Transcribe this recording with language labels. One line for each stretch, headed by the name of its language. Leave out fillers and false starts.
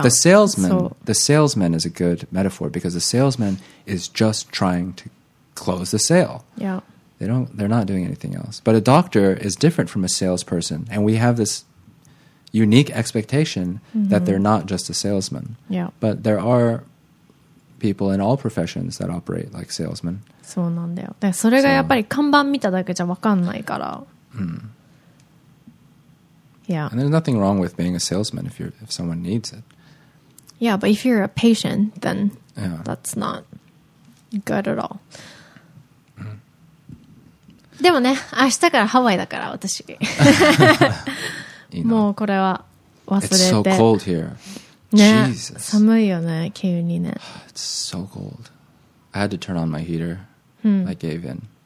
English: The salesman is a good metaphor, because the salesman is just trying to close the sale. Yeah. They're not doing anything else. But a doctor is different from a salesperson, and we have this unique expectation mm-hmm. that they're not just a salesman. Yeah. But there are people in all professions that operate like salesmen.
Japanese: そうなんだよ。で、それがやっぱり看板見ただけじゃわかんないから。うん。
English: Yeah. And there's nothing wrong with being a salesman if someone needs it. Yeah, but if you're a patient, then that's not good at all.
Japanese: でもね、明日からハワイだから私。 you know, もうこれは忘れて。
English: It's so cold here. ね、 Jesus.
Japanese: 寒いよね、急にね。
English: It's so cold. I had to turn on my heater. I gave in.